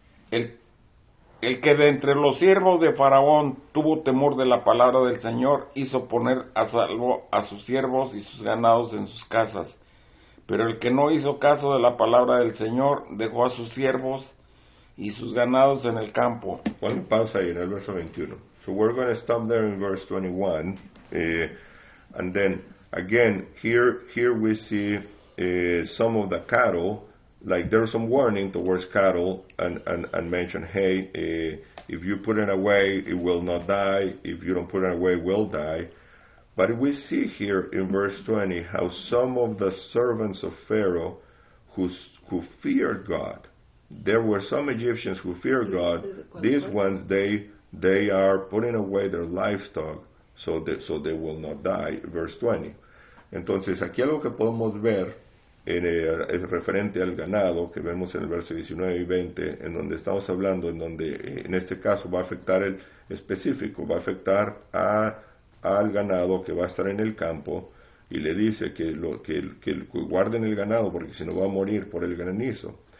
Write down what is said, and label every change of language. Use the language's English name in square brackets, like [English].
[Spanish] El que de entre los siervos de Faraón tuvo temor de la palabra del Señor, hizo poner a salvo a sus siervos y sus ganados en sus casas. Pero el que no hizo caso de la palabra del Señor, dejó a sus siervos y sus ganados en el campo. Bueno, pausa ahí en el verso 21. [English] So we're going to stop there in verse 21. And then, again, here we see some of the cattle. Like, there's some warning towards cattle and mention, hey, if you put it away, it will not die. If you don't put it away, it will die. But we see here in verse 20 how some of the servants of Pharaoh who feared God, there were some Egyptians who feared God. These ones, they are putting away their livestock so they will not die. Verse 20. [Spanish] Entonces, aquí algo que podemos ver es referente al ganado, que vemos en el verso 19 y 20, en donde estamos hablando, en donde en este caso va a afectar el específico, va a afectar al ganado que va a estar en el campo, y le dice que guarden el ganado, porque si no va a morir por el granizo.